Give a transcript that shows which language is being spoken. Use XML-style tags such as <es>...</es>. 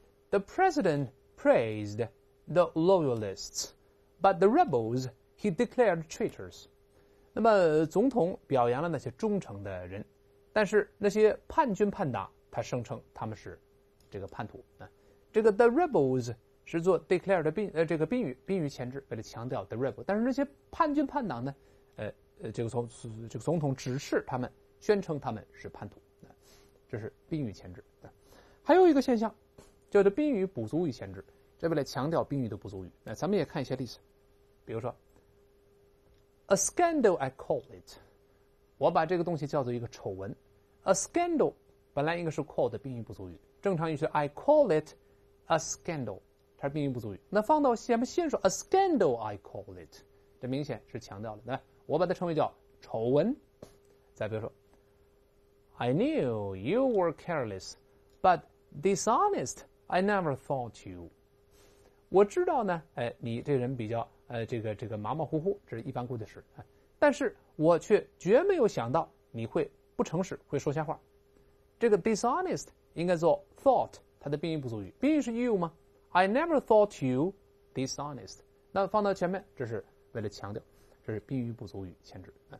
<en>The president praised the loyalists, but the rebels he declared traitors.</en> <zh>那么总统表扬了那些忠诚的人，但是那些叛军叛党，他声称他们是这个叛徒。这个 the rebels 是做 declared 的宾语前置，为了强调 the rebel。但是那些叛军叛党呢？这个总统指示他们。宣称他们是叛徒，这是宾语前置。还有一个现象叫做宾语补足语前置，这为了强调宾语的补足语。咱们也看一些例子，比如说</zh> <en>A scandal I call it，</en> <zh>我把这个东西叫做一个丑闻。 A scandal 本来应该是 called 宾语补足语，正常语是</zh> <en>I call it a scandal，</en> <zh>它是宾语补足语。那放到前面先说</zh> <en>A scandal I call it，</en> <zh>这明显是强调了，对吧？我把它称为叫丑闻。再比如说</zh> <en>I knew you were careless, but dishonest I never thought you.</en> <zh>我知道呢，你这人比较这个马马虎虎，这是一般故事，但是我却绝没有想到你会不诚实，会说瞎话。这个 dishonest 应该做 thought， 它的宾语不足语，宾语是 you 吗？</zh> <en>I never thought you dishonest，</en> <zh>那放到前面，这是为了强调，这是宾语不足语前置。</zh>